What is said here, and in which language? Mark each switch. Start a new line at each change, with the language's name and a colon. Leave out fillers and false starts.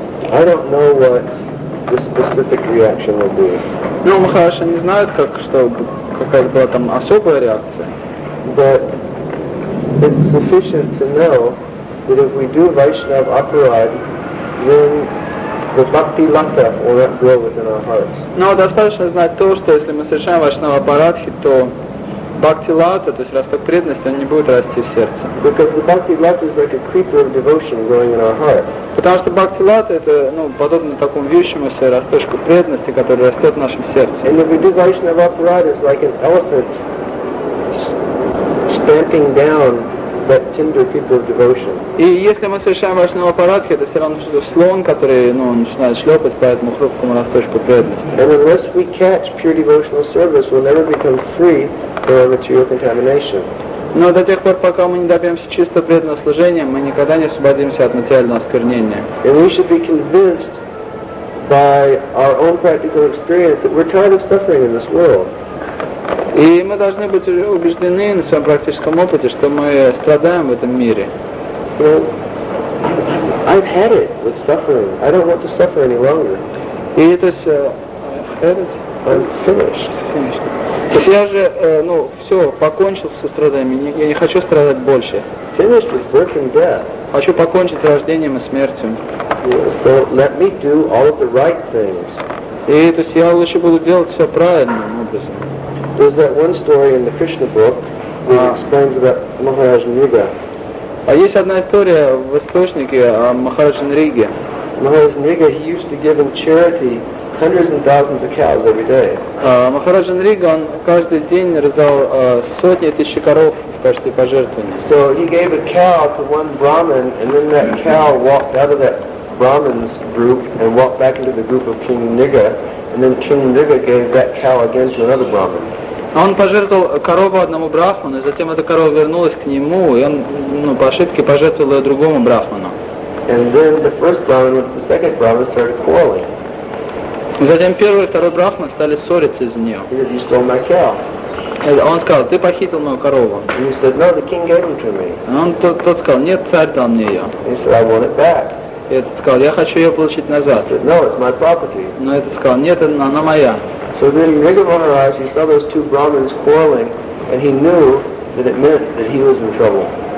English: I don't know what the specific reaction will be.
Russian: Ну, Махараш не знает, какая была там особая реакция.
English: But it's sufficient to know that if we do Vaishnava Aparad, then the bhakti lata will not grow within our hearts.
Russian: Но достаточно знать то, что если мы совершаем Вайшнава Апарадхи, то бхакти лата, то есть росток преданности, он не будет расти в сердце.
English: Because the bhakti lata is like a creeper of devotion growing in our heart.
Russian: Потому что бхакти лата это, подобно такому вьющемуся росточку преданности, который растет в нашем сердце.
English: And if we do Vaishnava Aparad, it's like an elephant stamping down that tender creeper of devotion.
Russian: И если мы совершаем Вайшнава Апарадхи, это все равно что слон, который начинает шлепать по этому хрупкому росточку преданности.
English: And unless we catch pure devotional service, we'll never become free from material contamination.
Russian: Но до тех пор, пока мы не добьемся чисто преданного служения, мы никогда не освободимся от материального осквернения.
English: And we should be convinced by our own practical experience that we're tired of suffering in this world.
Russian: И мы должны быть убеждены на своем практическом опыте, что мы страдаем в этом мире.
English: Well, I've had it with suffering. I don't want to suffer any longer.
Russian: И то есть,
English: I'm finished.
Russian: То есть я же, покончил со страданиями. Я не хочу страдать больше.
English: Finished with birth and death.
Russian: Хочу покончить с рождением и смертью.
English: Yeah, so let me do all of the right things.
Russian: И то есть я лучше буду делать все правильно.
English: There's that one story in the Krishna book that explains about Maharaj Nriga.
Russian: А есть одна история в источнике о Махарадже Нриге.
English: Махараджа Нрига, he used to give in charity hundreds and thousands of cows every day.
Russian: Махараджа Нрига, он каждый день раздал сотни тысяч коров в качестве пожертвования.
English: So he gave a cow to one Brahmin, and then that cow walked out of that Brahmin's group and walked back into the group of King Nriga. And then King Nriga gave that cow again to another Brahmin.
Russian: Он пожертвовал корову одному брахману, и затем эта корова вернулась к нему, и он, по ошибке пожертвовал ее другому брахману.
English: And then the first brahmin and the second brahmin started quarreling.
Russian: И затем первый и второй брахман стали ссориться из-за нее.
English: He said, "You stole my cow."
Russian: Он сказал, ты похитил мою корову.
English: And he said, "No, the king gave it to me."
Russian: Он тот сказал, нет, царь дал мне ее.
English: He said, "I want it back."
Russian: И этот сказал, я хочу ее получить назад.
English: He said, "No, it's my property."
Russian: Но этот сказал, нет, она моя.
English: So then Nriga Maharaj, he saw those two Brahmins quarreling, and he knew that it meant that he was in trouble.